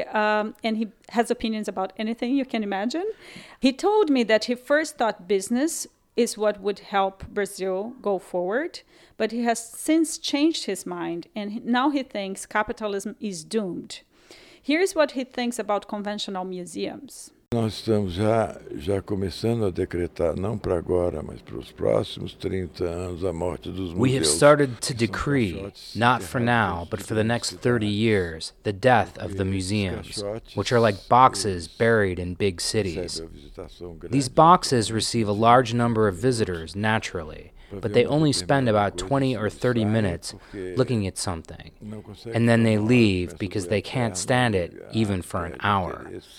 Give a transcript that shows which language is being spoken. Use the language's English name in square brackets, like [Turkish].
[English] And he has opinions about anything you can imagine. He told me that he first thought business is what would help Brazil go forward. But he has since changed his mind. And now he thinks capitalism is doomed. Here's what he thinks about conventional museums. [Portuguese] Nós estamos já começando a decretar, não para agora, mas para os próximos 30 anos, a morte dos museus. [English] We have started to decree, not for now, but for the next 30 years, the death of the museums, which are like boxes buried in big cities. These boxes receive a large number of visitors, naturally, but they only spend about 20 or 30 minutes looking at something, and then they leave because they can't stand it even for an hour.